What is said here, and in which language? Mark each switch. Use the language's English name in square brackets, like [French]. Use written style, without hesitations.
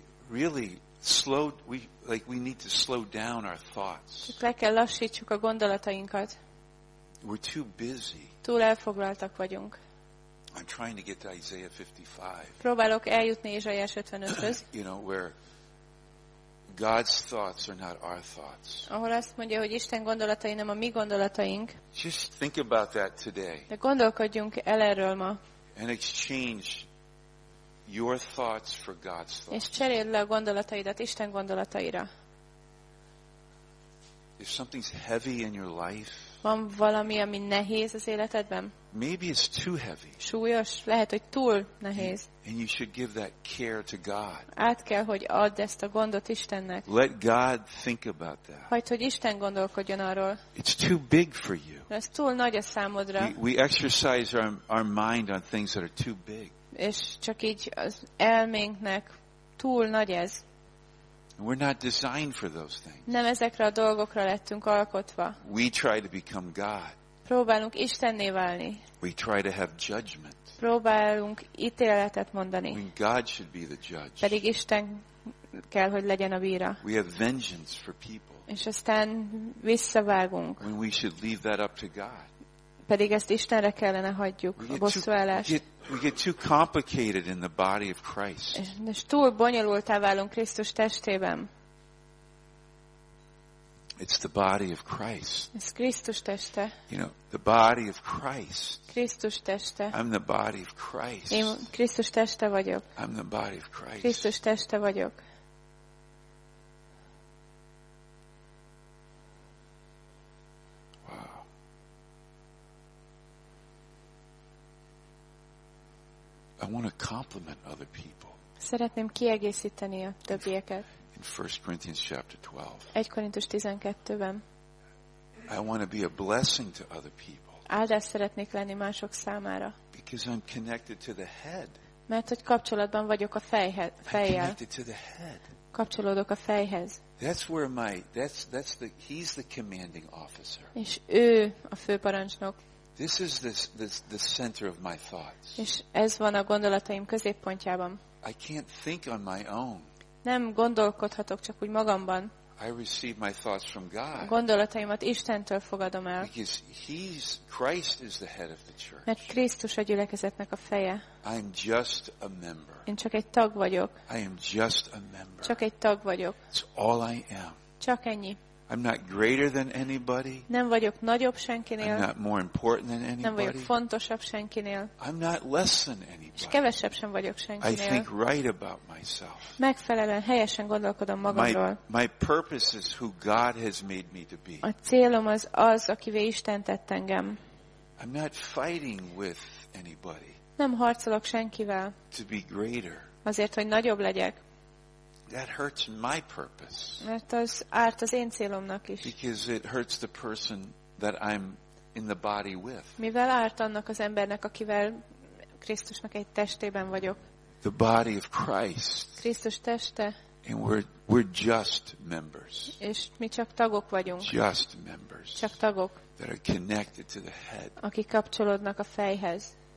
[English] Really slow, we need to slow down our thoughts. [Hungarian] Le kell lassítsuk a gondolatainkat. [English] We're too busy. [Hungarian] Túl elfoglaltak vagyunk. [English] I'm trying to get to Isaiah 55. [Hungarian] Próbálok eljutni Ézsaiás 55-höz. [English] You know, where God's thoughts are not our thoughts. [Hungarian] Ahol azt mondja, hogy Isten gondolatai nem a mi gondolataink. [English] Just think about that today. [Hungarian] De gondolkodjunk el erről ma. [English] And exchange your thoughts for God's thoughts. [Hungarian] És cseréld le a gondolataidat Isten gondolataira. [English] If something's heavy in your life, [Hungarian] van valami, ami nehéz az életedben? [English] Maybe it's too heavy. [Hungarian] Súlyos, lehet, hogy túl nehéz. [English] And you should give that care to God. [Hungarian] Át kell, hogy add ezt a gondot Istennek. [English] Let God think about that. [Hungarian] Hagyd, hogy Isten gondolkodjon arról. [English] It's too big for you. [Hungarian] Ez túl nagy a számodra. [English] We exercise our mind on things that are too big. [Hungarian] És csak így az elménknek túl nagy ez. [English] We're not designed for those things. [Hungarian] Nem ezekre a dolgokra lettünk alkotva. [English] We try to become God. [Hungarian] Próbálunk Istenné válni. [English] We try to have judgment. [Hungarian] Próbálunk ítéletet mondani. [English] When God should be the judge. [Hungarian] Pedig Isten kell, hogy legyen a bíra. [English] We have vengeance for people. [Hungarian] És aztán visszavágunk. [English] When we should leave that up to God. [Hungarian] Pedig ezt Istenre kellene hagyjuk, a bosszúállást. [English] We get too complicated in the body of Christ. [Hungarian] És túl bonyolultá válunk Krisztus testében. [English] It's the body of Christ. [Hungarian] Ez Krisztus teste. [English] You know, the body of Christ. [Hungarian] Krisztus teste. [English] I'm the body of Christ. [Hungarian] Én Krisztus teste vagyok. [English] I'm the body of Christ. [Hungarian] Krisztus teste vagyok. [English] I want to compliment other people. [Hungarian] Szeretném kiegészíteni a többieket. [English] In 1 Corinthians chapter 12. [Hungarian] 1 Korintus 12-ben. [English] I want to be a blessing to other people. [Hungarian] Áldás szeretnék lenni mások számára. [English] Because I'm connected to the head. [Hungarian] Mert hogy kapcsolatban vagyok a fejjel. [English] I'm connected to the head. [Hungarian] Kapcsolódok a fejhez. [English] He's the commanding officer. [Hungarian] És ő a főparancsnok. [English] This is the center of my thoughts. [Hungarian] És ez van a gondolataim középpontjában. [English] I can't think on my own. [Hungarian] Nem gondolkodhatok csak úgy magamban. [English] I receive my thoughts from God. [Hungarian] Gondolataimat Istentől fogadom el. [English] Because Christ is the head of the church. [Hungarian] Mert Krisztus a gyülekezetnek a feje. [English] I'm just a member. [Hungarian] Én csak egy tag vagyok. [English] I am just a member. [Hungarian] Csak egy tag vagyok. [English] It's all I am. [Hungarian] Csak ennyi. [English] I'm not greater than anybody. [Hungarian] Nem vagyok nagyobb senkinél. [English] I'm not more important than anybody. [Hungarian] Nem vagyok fontosabb senkinél. [English] I'm not less than anybody. [Hungarian] És kevesebb sem vagyok senkinél. [English] I think right about myself. [Hungarian] Megfelelően, helyesen gondolkodom magamról. [English] My purpose is who God has made me to be. [Hungarian] A célom az az, akivé Isten tett engem. [English] I'm not fighting with anybody. [Hungarian] Nem harcolok senkivel. [English] To be greater. [Hungarian] Azért, hogy nagyobb legyek. [English] That hurts my purpose. [Hungarian] Mert az árt az én célomnak is. [English] Because it hurts the person that I'm in the body with. [Hungarian] Mivel árt annak az embernek, akivel Krisztusnak egy testében vagyok. [English] The body of Christ. [Hungarian] Krisztus teste. [English] And we're just members. [Hungarian] És mi csak tagok vagyunk. [English] Just members. [Hungarian] Csak tagok. [English] That are connected to the head. [Hungarian] Akik kapcsolódnak a fejhez.